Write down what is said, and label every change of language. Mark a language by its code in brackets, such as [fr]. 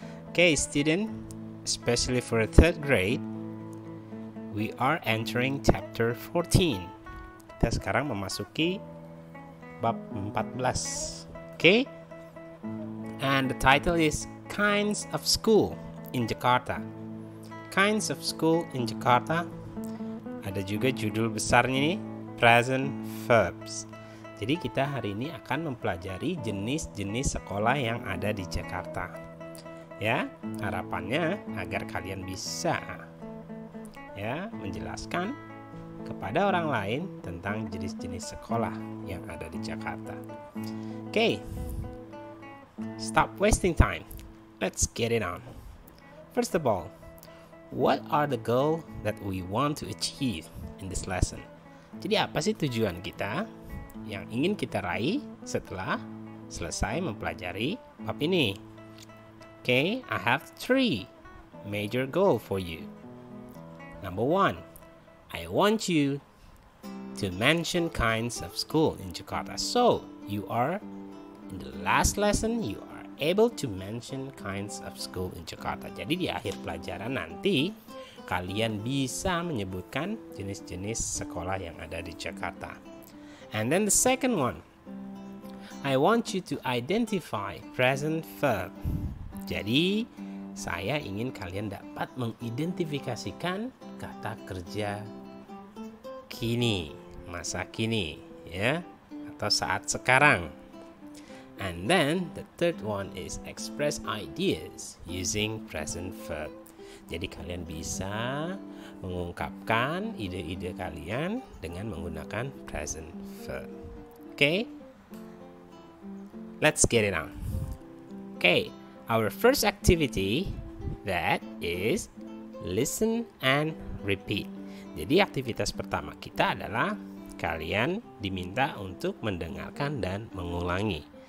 [en] Okay, student, especially for a third grade, we are entering chapter 14. [id] Kita sekarang memasuki bab 14. Okay? [en] And the title is Kinds of School in Jakarta. Kinds of School in Jakarta. [id] Ada juga judul besarnya nih, Present Verbs. Jadi kita hari ini akan mempelajari jenis-jenis sekolah yang ada di Jakarta. Ya, harapannya agar kalian bisa ya menjelaskan kepada orang lain tentang jenis-jenis sekolah yang ada di Jakarta. [en] Okay, stop wasting time. Let's get it on. First of all, what are the goal that we want to achieve in this lesson? [id] Jadi apa sih tujuan kita yang ingin kita raih setelah selesai mempelajari bab ini? [en] Okay, I have three major goals for you. Number one, I want you to mention kinds of school in Jakarta. So, you are, in the last lesson, you are able to mention kinds of school in Jakarta. [id] Jadi di akhir pelajaran nanti, kalian bisa menyebutkan jenis-jenis sekolah yang ada di Jakarta. [en] And then the second one, I want you to identify present verb. [id] Jadi, saya ingin kalian dapat mengidentifikasikan kata kerja kini, masa kini, ya, atau saat sekarang. [en] And then, the third one is express ideas using present verb. [id] Jadi, kalian bisa mengungkapkan ide-ide kalian dengan menggunakan present verb. [en] Okay? Let's get it on. Okay. Our first activity, that is listen and repeat. [id] Jadi aktivitas pertama kita adalah kalian diminta untuk mendengarkan dan mengulangi.